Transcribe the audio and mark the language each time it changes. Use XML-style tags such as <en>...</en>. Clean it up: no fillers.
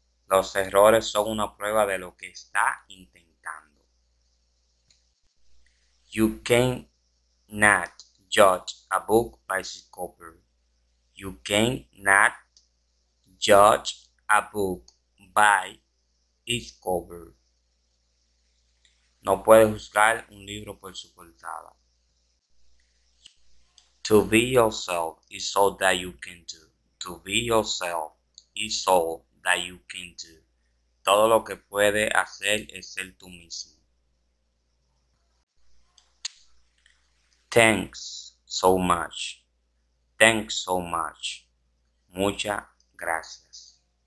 <es>Los errores son una prueba de lo que está intentando.</es> <en>You can't not judge a book by its cover. You cannot judge a book by its cover.</en> <es>No puedes juzgar un libro por su portada.</es> <en>To be yourself is all that you can do. To be yourself is all that you can do.</en> <es>Todo lo que puedes hacer es ser tú mismo.</es> <en>Thanks so much. Thanks so much.</en> <es>Muchas gracias.</es>